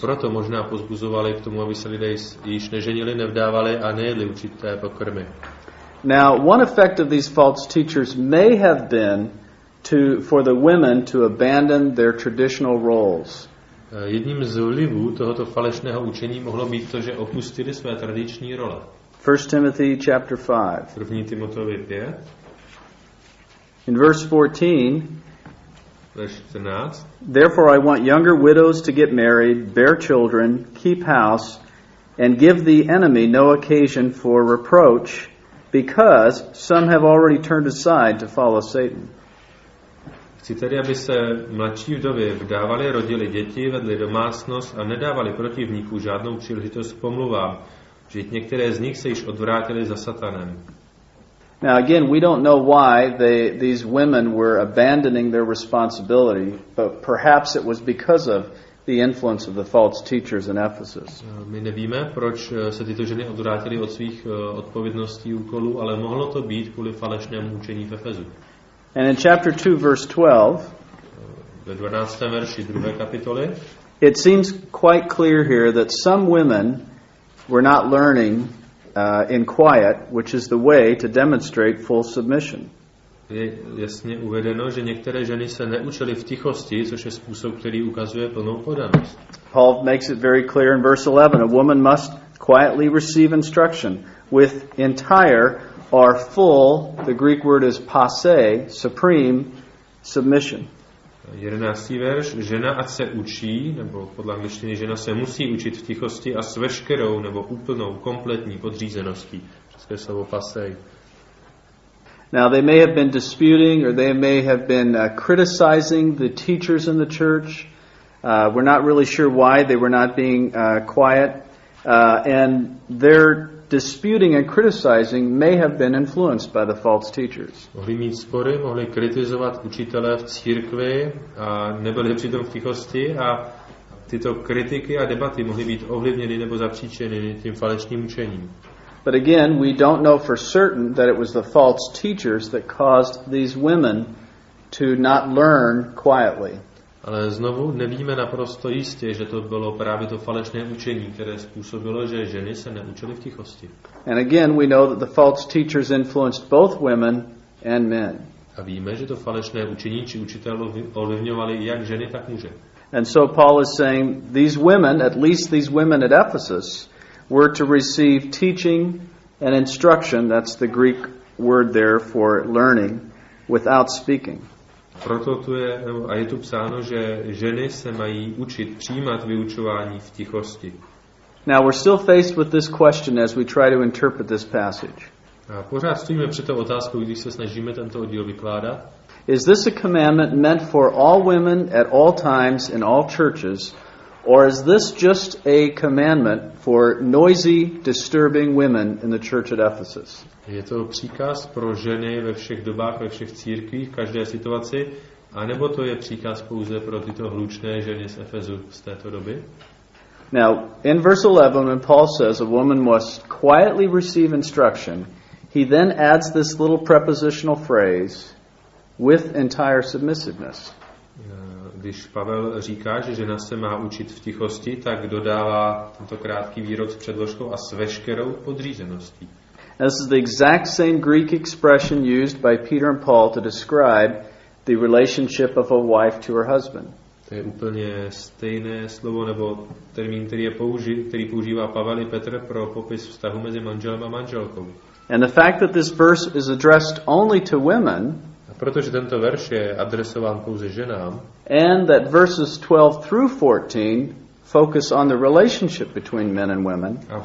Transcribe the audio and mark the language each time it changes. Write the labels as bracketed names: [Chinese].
[Czech] Proto možná pozbuzovali k tomu, aby se lidé již neženili, nevdávali a nejedli určité pokrmy. [English] Now, one effect of these false teachers may have been for the women to abandon their traditional roles. [Czech] Jedním z vlivů tohoto falešného učení mohlo být to, že opustili své tradiční role. [English] 1 Timothy chapter 5. [Czech] 1. Timoteovi 5. [English] In verse 14, therefore I want younger widows to get married, bear children, keep house, and give the enemy no occasion for reproach, because some have already turned aside to follow Satan. [Czech] Chci tedy, aby se mladší vdovy vdávali, rodili děti, vedli domácnost a nedávali protivníků žádnou příležitost k pomluvám, že některé z nich se již odvrátili za Satanem. [English] Now again, we don't know why these women were abandoning their responsibility, but perhaps it was because of the influence of the false teachers in Ephesus. [Czech] My nevíme, proč se tyto ženy odvrátily od svých odpovědností úkolů, ale mohlo to být kvůli falešnému učení v Efezu. [English] And in chapter 2, verse 12, [Czech] ve 12. verši 2. kapitoly, [English] it seems quite clear here that some women were not learning in quiet, which is the way to demonstrate full submission. [Czech] Je jasně uvedeno, že některé ženy se neučily v tichosti, což je způsob, který ukazuje plnou podanost. [English] Paul makes it very clear in verse 11, a woman must quietly receive instruction with entire or full, the Greek word is passe, supreme submission. [Czech] 11. verš, žena ať se učí, nebo podle angličtiny žena se musí učit v tichosti a s veškerou nebo úplnou, kompletní podřízeností. České slovo pasej. [English] Now they may have been disputing or they may have been criticizing the teachers in the church. We're not really sure why they were not being quiet. And their disputing and criticizing may have been influenced by the false teachers. [Czech] Mohli mít spory, mohli kritizovat učitele v církvi a nebyli přitom v tichosti a tyto kritiky a debaty mohly být ovlivněny nebo zapříčeny tím falešným učením. [English] But again, we don't know for certain that it was the false teachers that caused these women to not learn quietly. [Czech] Ale znovu nevíme naprosto jistě, že to bylo právě to falešné učení, které způsobilo, že ženy se neučily v tichosti. [English] And again, we know that the false teachers influenced both women and men. [Czech] A víme, že to falešné učení či učitelé ovlivňovali jak ženy, tak muže. [English] And so Paul is saying these women, at least these women at Ephesus, were to receive teaching and instruction, that's the Greek word there for learning, without speaking. [Czech] Proto tu je, a je tu psáno, že ženy se mají učit přijímat vyučování v tichosti. [English] Now we're still faced with this question as we try to interpret this passage. [Czech] A pořád stojíme před tou otázkou, když se snažíme tento oddíl vykládat. [English] Is this a commandment meant for all women at all times in all churches? Or is this just a commandment for noisy, disturbing women in the church at Ephesus? [Czech] Je to příkaz pro ženy ve všech dobách, ve všech církvích, v každé situaci, anebo to je příkaz pouze pro tyto hlučné ženy z Efezu z této doby? [English] Now, in verse 11, when Paul says a woman must quietly receive instruction, he then adds this little prepositional phrase, with entire submissiveness. [Czech] Když Pavel říká, že žena se má učit v tichosti, tak dodává tento krátký výrok s předložkou a s veškerou podřízeností. [English] This is the exact same Greek expression used by Peter and Paul to describe the relationship of a wife to her husband. [Czech] To je úplně stejné slovo nebo termín, který používá Pavel i Petr pro popis vztahu mezi manželem a manželkou. [English] And the fact that this verse is addressed only to women, [Czech] protože tento verš je adresován pouze ženám. [English] And that verses 12 through 14 focus on the relationship between men and women.